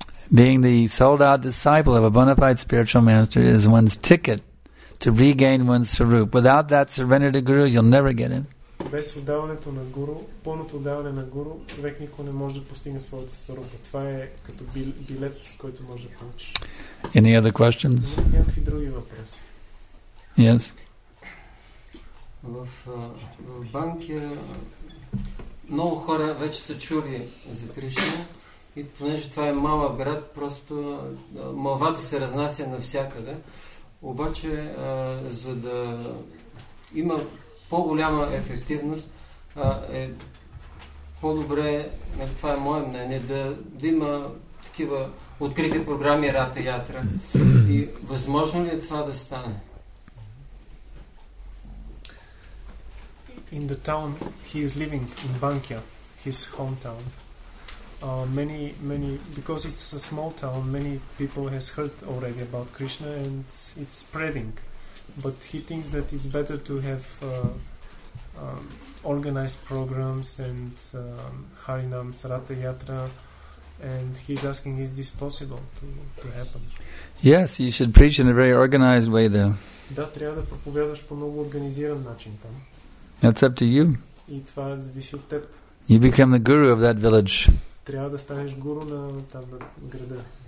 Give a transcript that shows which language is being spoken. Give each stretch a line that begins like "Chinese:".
English: Being the sold out disciple of a bona fide spiritual master is one's ticket to regain one's sarup. Without that surrender to Guru, you'll never get it.
Bulgarian: Без отдаването на гуру, пълното отдаване на гуру, човек никога не може да постигне своята сварупа. Това е като билет, с който може да получиш.
English: Any other questions?
Bulgarian: Някакви други въпроси?
English: Yes.
Bulgarian: В банки много хора вече са чули за Кришна и понеже това е малък град, просто молвата се разнася навсякъде. Обаче, за да има по-голяма ефективност, е по-добре, това е мое мнение, да има такива открити програми Рата Ятра. И възможно ли е това да стане?
English: In the town he is living, in Bankia, his hometown, many, because it's a small town, many people has heard already about Krishna and it's spreading. But he thinks that it's better to have organized programs and Harinam Sarata Yatra And he's asking, is this possible to happen? Yes, you should preach in a very organized way there.
Bulgarian: Да, трябва да проповядваш по много организиран начин там.
English: That's up to you.
Bulgarian: И това зависи от теб.
English: You become the guru of that village.
Bulgarian: Трябва да станеш гуру на там на града.